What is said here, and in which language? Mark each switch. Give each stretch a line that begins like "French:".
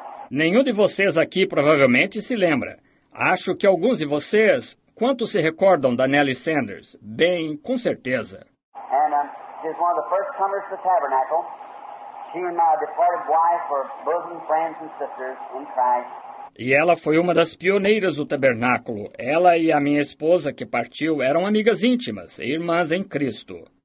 Portuguese: Nenhum de vocês aqui provavelmente se lembra. Acho que alguns de vocês, quantos se recordam da Nellie Sanders? Bem, com certeza.
English: She's one of the first comers to the tabernacle. She and my departed wife were bosom friends and sisters in Christ.
Portuguese: E ela foi uma das pioneiras do tabernáculo. Ela e a minha esposa, que partiu, eram amigas íntimas, irmãs em Cristo.